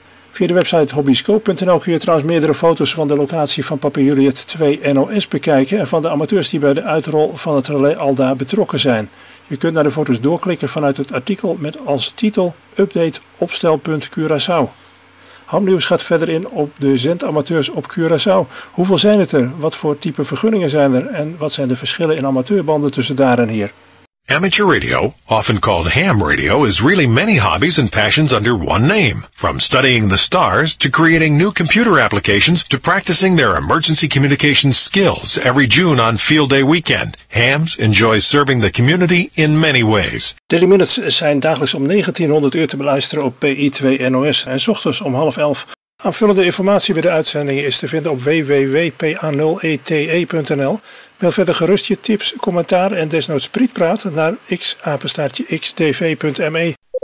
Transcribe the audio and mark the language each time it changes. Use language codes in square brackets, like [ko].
[nl] Via de website hobbyscope.nl kun je trouwens meerdere foto's van de locatie van Papa Juliet 2 NOS bekijken en van de amateurs die bij de uitrol van het relais al daar betrokken zijn. Je kunt naar de foto's doorklikken vanuit het artikel met als titel Update opstelpunt Curaçao. Hamnieuws gaat verder in op de zendamateurs op Curaçao. Hoeveel zijn het er? Wat voor type vergunningen zijn er? En wat zijn de verschillen in amateurbanden tussen daar en hier? [en] Amateur radio, often called ham radio, is really many hobbies and passions under one name. From studying the stars, to creating new computer applications, to practicing their emergency communication skills every June on Field Day weekend. Hams enjoy serving the community in many ways. [nl] Daily Minutes zijn dagelijks om 1900 uur te beluisteren op PI2NOS en 's ochtends om 10:30. Aanvullende informatie bij de uitzendingen is te vinden op www.pa0ete.nl. Mail verder gerust je tips, commentaar en desnoods prietpraat naar x-xdv.me.